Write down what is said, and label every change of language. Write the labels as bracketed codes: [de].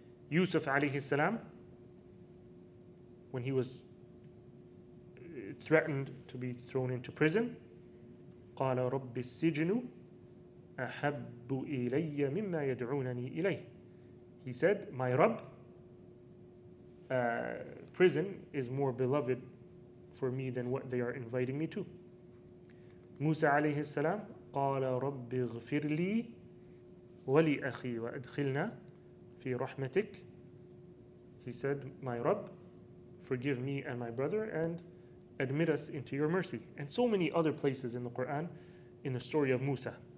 [en] Yusuf alayhi salam, when he was threatened to be thrown into prison, [ar] قَالَ رَبِّ السِّجْنُ أَحَبُّ إِلَيَّ مِمَّا يَدْعُونَنِي إِلَيْهِ. [en] He said, my Rabb, prison is more beloved for me than what they are inviting me to. Musa alayhi salam, [ar] قَالَ رَبِّ اغْفِرْ لِي وَلِأَخِي وَأَدْخِلْنَا فِي رَحْمَتِكَ. [en] He said, my Rabb, forgive me and my brother and admit us into your mercy. And so many other places in the Quran, in the story of Musa.